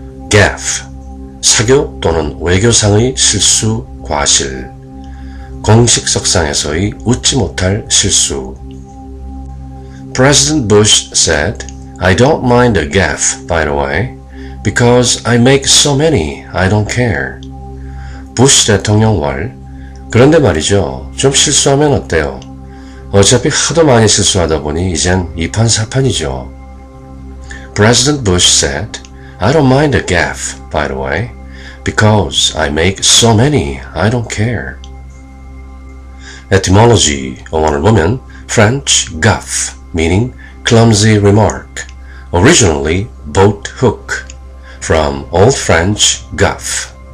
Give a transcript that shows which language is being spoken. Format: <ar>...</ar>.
<ko>Gaffe, 사교 또는 외교상의 실수, 과실, 공식석상에서의 웃지 못할 실수.</ko> <en>President Bush said, I don't mind a gaffe, by the way, because I make so many, I don't care.</en> <ko>Bush 대통령 월, 그런데 말이죠, 좀 실수하면 어때요? 어차피 하도 많이 실수하다 보니 이젠 이판사판이죠.</ko> <en>President Bush said, I don't mind a gaffe, by the way, because I make so many, I don't care. Etymology,</en> <ko>어원을 보면,</ko> <en>French gaffe, meaning clumsy remark, originally boat hook, from Old French gaffe.</en>